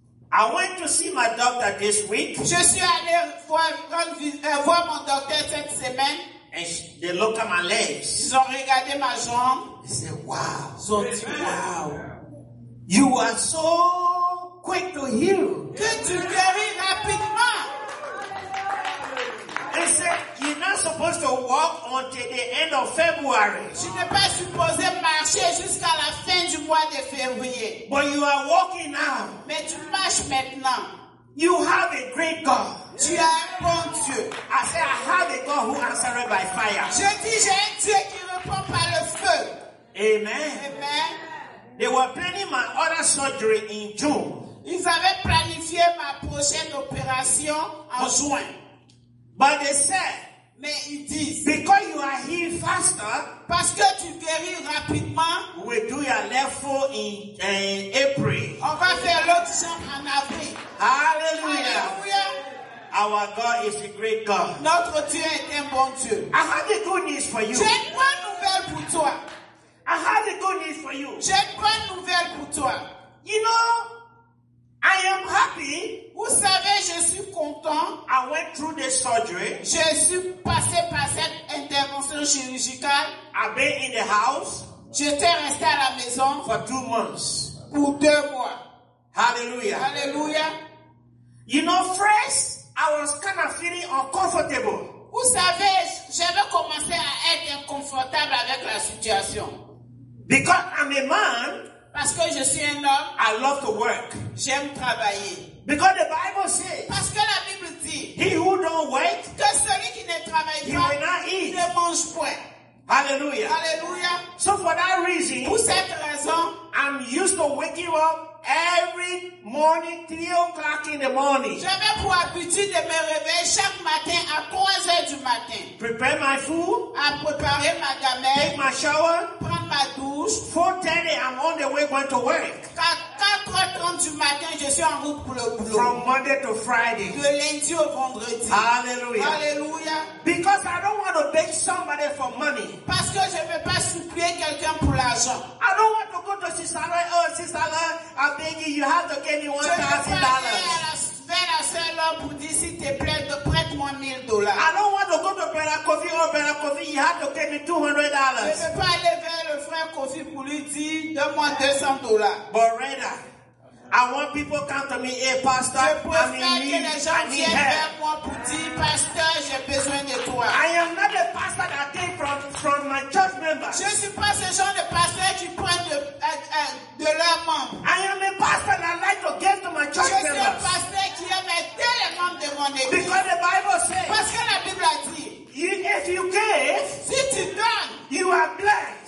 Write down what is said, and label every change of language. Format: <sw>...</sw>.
<en>I went to see my doctor this week.</en> <fr>Je suis allé voir mon docteur cette semaine.</fr> <en>And they look at my legs.</en> <fr>Ils ont regardé ma jambe.</fr> <en>They say, wow. So, wow. You are so quick to heal.</en> <fr>Que tu guéris rapidement.</fr> <en>They say, you're not supposed to walk until the end of February.</en> <fr>Tu n'es pas supposé marcher jusqu'à la fin du mois de février.</fr> <en>But you are walking now.</en> <fr>Mais tu marches maintenant.</fr> <en>You have a great God.</en> <fr>Tu as un bon Dieu.</fr> <en>I say, I have a God who answered by fire.</en> <fr>Je dis, j'ai un Dieu qui répond par le feu. Amen. Amen.</fr> <en>They were planning my other surgery in June.</en> <fr>Ils avaient planifié ma prochaine opération en juin.</fr> <en>But they said,</en> <fr>mais ils disent,</fr> <en>because you are healed faster,</en> <fr>parce que tu guéris rapidement,</fr> <en>we do your left foot in April.</en> <fr>On va faire l'autre jambe en avril. Hallelujah. Hallelujah.</fr> <en>Our God is a great God.</en> <fr>Notre Dieu est un bon Dieu.</fr> <en>I have the good news for you.</en> <fr>J'ai une bonne nouvelle pour toi.</fr> <en>I have the good news for you.</en> <fr>J'ai une bonne nouvelle pour toi.</fr> <en>You know, I am happy.</en> <fr>Vous savez, je suis content.</fr> <en>I went through the surgery.</en> <fr>Je suis passé par cette intervention chirurgicale.</fr> <en>I've been in the house.</en> <fr>J'étais resté à la maison.</fr> <en>For 2 months.</en> <fr>Pour 2 mois. Hallelujah. Hallelujah.</fr> <en>You know, first, I was kind of feeling uncomfortable.</en> <fr>Vous savez, j'avais commencé à être inconfortable avec la situation.</fr> <en>Because I'm a man.</en> <fr>Parce que je suis un homme.</fr> <en>I love to work.</en> <fr>J'aime travailler.</fr> <en>Because the Bible says.</en> <fr>Parce que la Bible dit.</fr> <en>He who don't work.</en> <fr>Que celui qui ne travaille pas.</fr> <en>He will not eat.</en> <fr>Ne mange point. Hallelujah. Hallelujah.</fr> <en>So for that reason.</en> <fr>Pour cette raison.</fr> <en>I'm used to waking up every morning, 3 o'clock in the morning.</en> <fr>J'avais pour habitude de me réveiller chaque matin à 3 heures du matin.</fr> <en>Prepare my food.</en> <fr>À préparer ma gamelle.</fr> <en>Take my shower.</en> <fr>Prendre ma douche.</fr> <en>4:30, I'm on the way going to work.</en> <fr>4:30 du matin, je suis en route pour le boulot.</fr> <en>From Monday to Friday.</en> <fr>De lundi au vendredi. Hallelujah. Hallelujah.</fr> <en>Because I don't want to beg somebody for money.</en> <fr>Parce que je ne veux pas supplier quelqu'un pour l'argent.</fr> <en>I don't want to go to Sister Lai. Oh, Sister Lai, I'm begging you, have to give me $1,000.</en> <fr>Vers la seule homme pour dire, s'il te plaît, de prête-moi $1,000.</fr> <en>I don't want to go to Berakovi. Oh, Berakovi, you have to give me $200.</en> <fr>Je ne veux pas aller vers le frère Kofi pour lui dire, donne-moi $200.</fr> <en>But rather, I want people to come to me, hey, pastor, I'm in need, I need help.</en> <fr>Pour dire, pasteur, j'ai besoin de toi.</fr> <en>I am not a pastor that came from my church members.</en> <fr>Je suis pas ce genre de pasteur qui prend de leurs membres.</fr> <en>I am a pastor that like to give to my church</en> <fr>Je</fr> <en>members.</en> <fr>Je suis un pasteur qui aime aider les membres de mon église.</fr> <en>Because the Bible says.</en> <fr>Parce que la Bible a dit.</fr> <en>If you give,</en> <fr>si tu donnes,</fr> <en>you are blessed.</en>